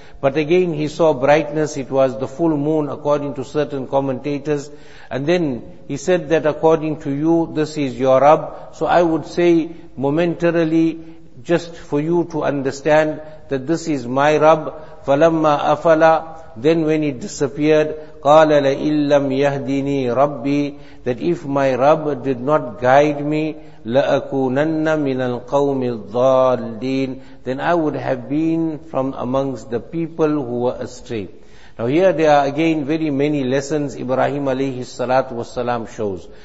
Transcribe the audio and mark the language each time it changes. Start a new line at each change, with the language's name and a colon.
English: But again he saw brightness. It was the full moon according to certain commentators. And then he said that according to you, this is your Rabb. So I would say momentarily, just for you to understand that this is my Rabb.
Arabic: فَلَمَّا أَفَلَى.
English: Then when it disappeared,
Arabic: قَالَ لَإِن لَمْ يَهْدِنِي رَبِّي.
English: That if my Rabb did not guide me,
Arabic: لَأَكُونَنَّ مِنَ الْقَوْمِ الضَّالِّينَ.
English: Then I would have been from amongst the people who were astray. Now here there are again very many lessons Ibrahim alayhi salatu wasalam shows.